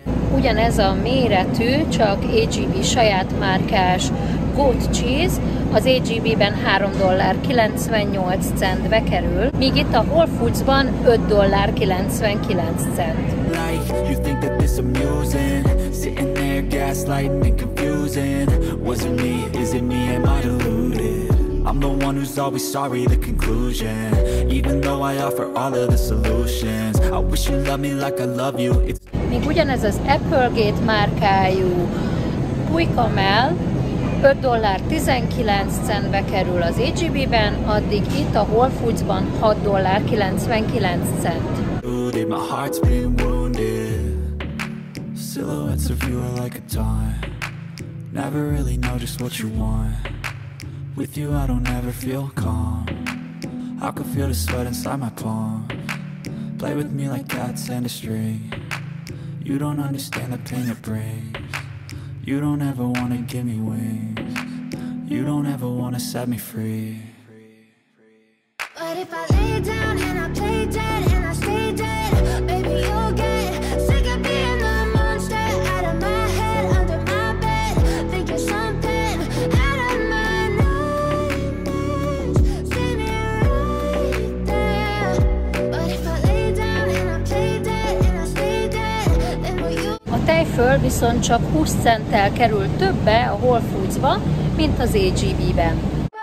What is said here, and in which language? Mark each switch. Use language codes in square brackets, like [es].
[hu] Ugyanez a méretű, csak AGB saját márkás goat cheese, az AGB-ben $3.98-be kerül, míg itt a Whole Foods-ban $5.99. [en] I'm the one who's always sorry, the conclusion. Even though I offer all of the solutions, I wish you loved me like I love you. [hu] Még ugyanez az Applegate márkájú pulykamell $5.19-be kerül az HEB-ben, addig itt a Whole Foods-ban $6.99. [en] Dude, my heart's been wounded. Silhouettes of you are like a taunt. Never really know just what you want. With you I don't ever feel calm. I can feel the sweat inside my palm. Play with me like cats and a string. You don't understand the pain it brings. You don't ever wanna give me wings. You don't ever wanna set me free. But if I lay down and I play dead and I stay dead, baby you'll get sick of being the monster. Out of my head, under my bed, think you're something. Out of my nightmares, see me right there. But if I lay down and I play dead and I stay dead, then will you... [hu] A tejföl viszont csak 20 centtel kerül többe a Whole Foods-ba, mint az AGB-ben.